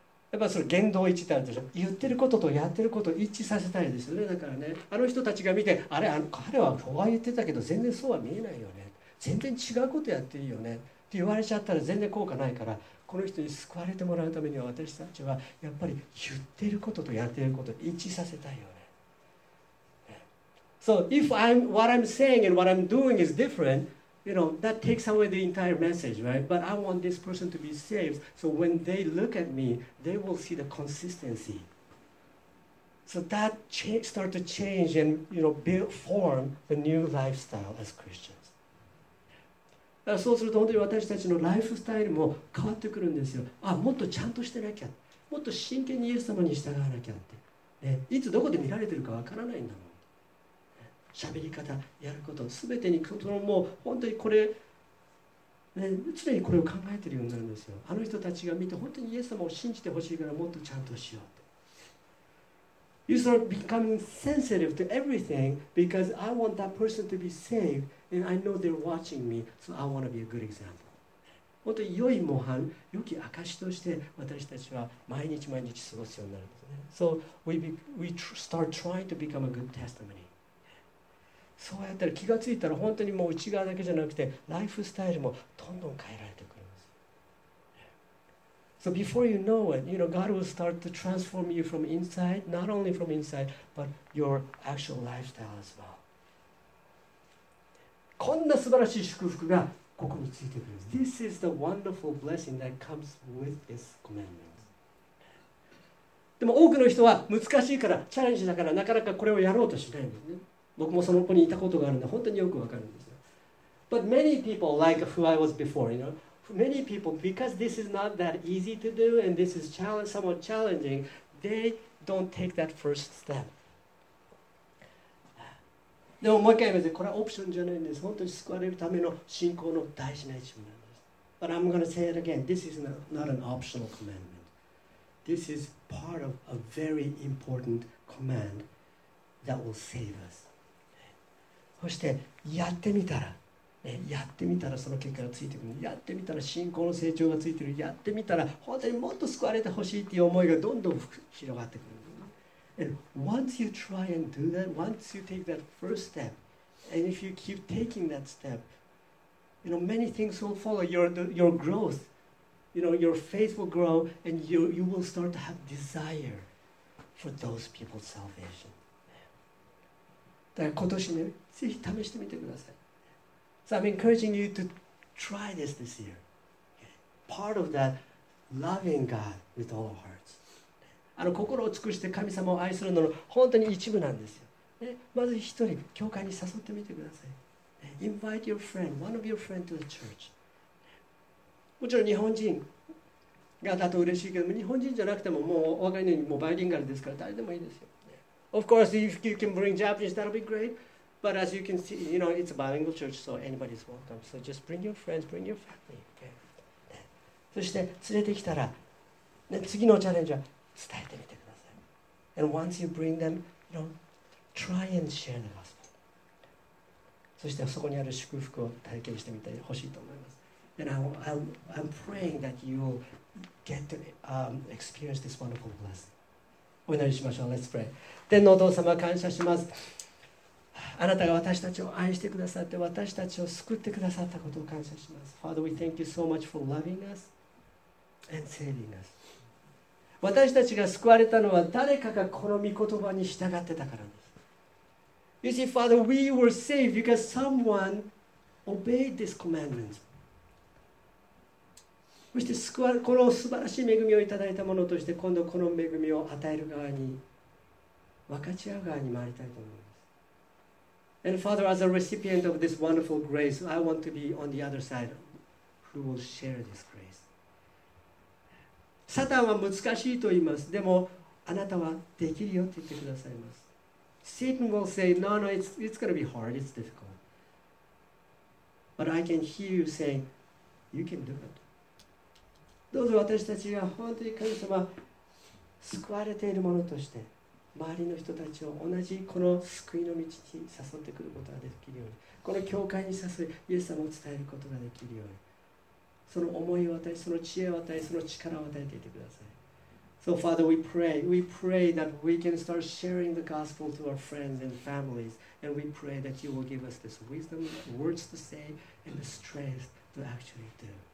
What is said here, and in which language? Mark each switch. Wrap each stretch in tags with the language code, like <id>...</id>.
<ja>やっぱその言動一致ってあるでしょ。言ってることとやってることを一致させたいですよね。だからね、あの人たちが見て、あれ、彼はこう言ってたけど、全然そうは見えないよね。全然違うことやってるよね。って言われちゃったら全然効果ないから、この人に救われてもらうためには私たちはやっぱり言ってることとやってることを一致させたいよね。</ja> <en>So if I'm, what I'm saying and what I'm doing is different, you know, that takes away the entire message, right? But I want this person to be saved, so when they look at me, they will see the consistency. So that starts to change and, you know, build, form the new lifestyle as Christians.</en> <ja>そうすると本当に私たちのライフスタイルも変わってくるんですよ。あ、もっとちゃんとしてなきゃ、もっと真剣にイエス様に従わなきゃって、ね、いつどこで見られてるかわからないんだもん。喋り方、やること、すべてにそのもう本当にこれ、ね、常にこれを考えてるようになるんですよ。あの人たちが見て本当にイエス様を信じてほしいからもっとちゃんとしようって。</ja> <en>You start becoming sensitive to everything because I want that person to be saved. And I know they're watching me, so I want to be a good example.</en> <ja>本当に良い模範、良き証として私たちは毎日毎日過ごすようになるんですね。</ja> <en>So we start trying to become a good testimony.</en> <ja>そうやったら気がついたら本当にもう内側だけじゃなくてライフスタイルもどんどん変えられてくるんです。</ja> <en>So before you know it, you know, God will start to transform you from inside, not only from inside, but your actual lifestyle as well.</en> <ja>こんな素晴らしい祝福がここについてくるんです。</ja> <en>This is the wonderful blessing that comes with this commandment.</en> <ja>でも多くの人は難しいから、チャレンジだからなかなかこれをやろうとしないんですね。僕もその子にいたことがあるんで本当によくわかるんですよ。</ja> <en>But many people like who I was before, you know, many people because this is not that easy to do and this is somewhat challenging, they don't take that first step.</en> <ja>でももう一回言います。これはオプションじゃないんです。本当に救われるための信仰の大事な一部なんです。</ja> <en>But I'm going to say it again. This is not an optional commandment. This is part of a very important command that will save us.</en> <ja>そしてやってみたら、ね、やってみたらその結果がついてくる。やってみたら信仰の成長がついてる。やってみたら本当にもっと救われてほしいっていう思いがどんどん広がってくる。</ja> <en>And once you try and do that, once you take that first step, and if you keep taking that step, you know, many things will follow your growth. You know, your faith will grow, and you will start to have desire for those people's salvation.</en> <ja>だから今年ね、ぜひ試してみてください。</ja> <en>So I'm encouraging you to try this year. Part of that, loving God with all our hearts.</en> <ja>あの心を尽くして神様を愛するのの本当に一部なんですよ、ね、まず一人教会に誘ってみてください、ね、</ja> <en>Invite your friend, one of your friends to the church.</en> <ja>もちろん日本人がだと嬉しいけども日本人じゃなくてももうお分かりのようにもうバイリンガルですから誰でもいいですよ、ね、</ja> <en>Of course if you can bring Japanese that'll be great but as you can see you know it's a bilingual church so anybody's welcome so just bring your friends, bring your family、okay?</en> <ja>ね、そして連れてきたら、ね、次のチャレンジは伝えてみてください。</ja> <en>And once you bring them, you know, try and share the gospel.</en> <ja>そしてそこにある祝福を体験してみてほしいと思います。</ja> <en>And I'm praying that you will get to experience this wonderful blessing.</en> <ja>お祈りしましょう。</ja> <en>Let's pray.</en> <ja>天のお父様、感謝します。あなたが私たちを愛してくださって、私たちを救ってくださったことを感謝します。</ja> <en>Father, we thank you so much for loving us and saving us.</en> <ja>私たちが救われたのは誰かがこの御言葉に従ってたからです。</ja> <en>You see, Father, we were saved because someone obeyed this commandment.</en> <ja>そして救われ、この素晴らしい恵みをいただいたものとして、今度この恵みを与える側に、分かち合う側に回りたいと思います。</ja> <en>And Father, as a recipient of this wonderful grace, I want to be on the other side who will share this grace.</en> <ja>サタンは難しいと言います。でも、あなたはできるよと言ってくださいます。</ja> <en>Satan will say, no, no, it's going to be hard, it's difficult. But I can hear you saying, you can do it.</en> <ja>どうぞ私たちが本当に神様、救われているものとして、周りの人たちを同じこの救いの道に誘ってくることができるように、この教会に誘い、イエス様を伝えることができるように。その思いを与え、その知恵を与え、その力を与えていてください。</ja> <en>So Father, we pray. We pray that we can start sharing the gospel to our friends and families. And we pray that you will give us this wisdom, words to say, and the strength to actually do.</en>